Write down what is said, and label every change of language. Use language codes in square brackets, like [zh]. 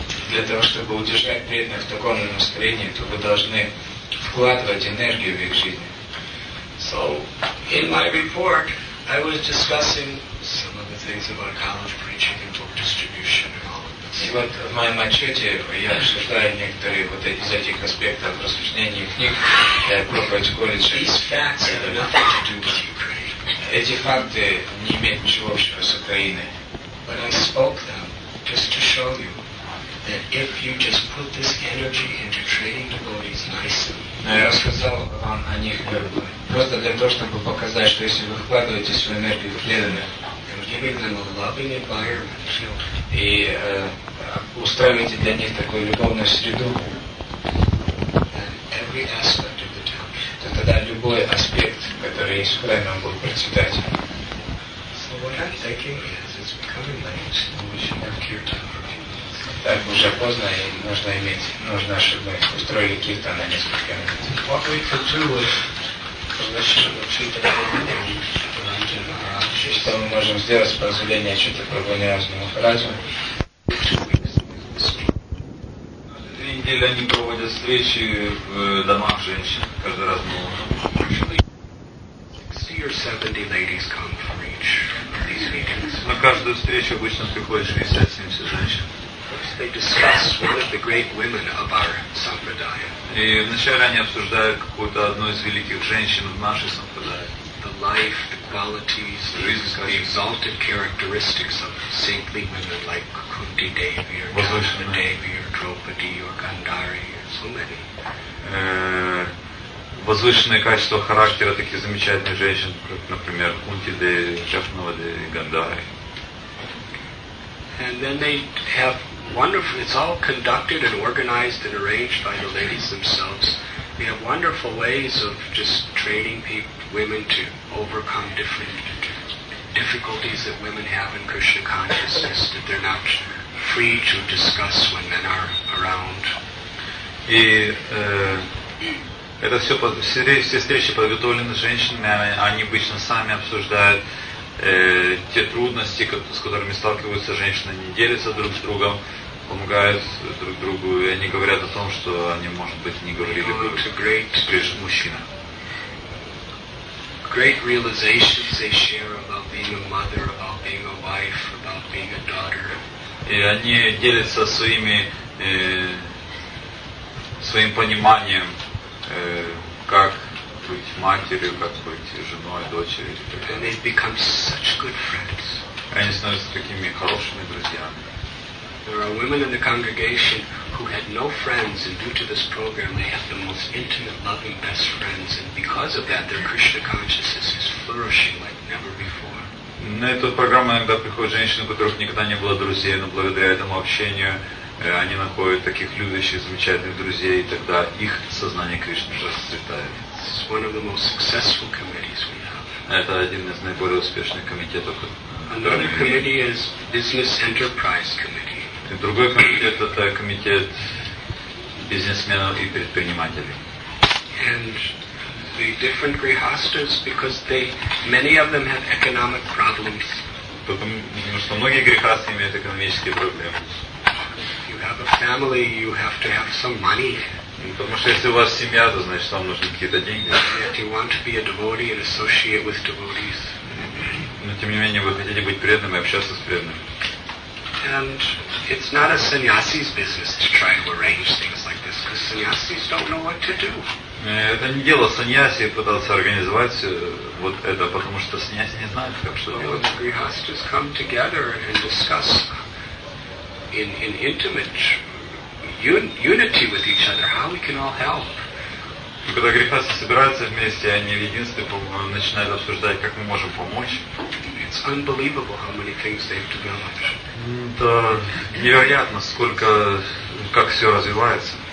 [ru] Для того, чтобы удержать преданных в таком настроении, то вы должны вкладывать энергию в их жизнь. [en] So, in my report, I was discussing some of the things about college preaching and book distribution and all of this. [ru] И вот в моем отчете я обсуждаю некоторые вот эти, из этих аспектов распространения книг, проповедь в колледже. [en] These facts have nothing to do with Ukraine. [ru] Эти факты не имеют ничего общего с Украиной. [en] But I spoke them just to show you that if you just put this energy into training devotees nicely. [ru] Я сказал вам о них просто для того, чтобы показать, что если вы вкладываете свою энергию в преданных, [en] and giving them a loving environment, [ru] и устраиваете для них такую любовную среду, [en] then every aspect of the township, [ru] то тогда любой аспект, который есть в храме, он будет процветать. [en] So what I'm thinking is, it's becoming late, and we should have kirtan. [ru] Так уже поздно, и нужно иметь, нужно, чтобы мы устроили киртан на несколько минут. [en] What we could do with permission of Chaitanya Mahaprabhu to Ranjan Maharaj. [ru] Что мы можем сделать с позволения Чайтаньи Прабху Махараджу? Каждые две недели они проводят встречи в домах женщин, каждый раз много. [en] Or 70 ladies come for each of these meetings. [ru] На каждую встречу обычно приходит 60-70 женщин. [en] First they discuss one of the great women of our sampradaya. [ru] И вначале они обсуждают какую-то одну из великих женщин в нашей сампрадае. [en] The life, the qualities, the exalted characteristics of saintly women like Kunti Devi or Kamala Devi or Draupadi or Gandhari or so many. [ru] Возвышенное качество характера таких замечательных женщин, как, например, Кунти Деви, Джафнава Деви, Гандхари. [en] And then they have wonderful, it's all conducted and organized and arranged by the ladies themselves. They have wonderful ways of just training people, women to overcome different difficulties that women have in Krishna consciousness that they're not free to discuss when men are around. [ru] И это все, все встречи подготовлены женщинами, они обычно сами обсуждают те трудности, с которыми сталкиваются женщины, они делятся друг с другом, помогают друг другу, и они говорят о том, что они, может быть, не говорили бы прежде мужчина. [en] Great realizations they share about being a mother, about being a wife, about being a daughter. [ru] И они делятся своими, своим пониманием, как быть матерью, как быть женой, дочерью. [en] And they become such good friends. [ru] Они становятся такими хорошими друзьями. [en] There are women in the congregation who had no friends, and due to this program, they have the most intimate, loving, best friends, and because of that, their Krishna consciousness is flourishing like never before. [ru] На эту программу иногда приходят женщины, у которых никогда не было друзей, но благодаря этому общению они находят таких любящих, замечательных друзей, и тогда их сознание Кришны расцветает. [en] It's one of the most successful committees we have. [ru] Это один из наиболее успешных комитетов. [en] Another committee is Business Enterprise Committee. [ru] И другой комитет — это комитет бизнесменов и предпринимателей. [en] And the different grihasthas, because they, many of them have economic problems. [ru] Потому что многие грихасты имеют экономические проблемы. [en] Have a family, you have to have some money. [ru] Потому что если у вас семья, то значит вам нужны какие-то деньги. [en] Yet you want to be a devotee and associate with devotees. [ru] Но тем не менее вы хотите быть преданным и общаться с преданными. [en] And it's not a sannyasi's business to try to arrange things like this, because sannyasis don't know what to do. [ru] Это не дело саньяси пытаться организовать вот это, потому что саньяси не знают, как что делать. [en] The grihasthas come together and discuss in intimate unity with each other how we can all help. [ru] Когда грехасы собираются вместе, они в единстве начинают обсуждать, как мы можем помочь. [en] It's unbelievable how many things they've developed. [ru] Это невероятно, сколько, как все развивается.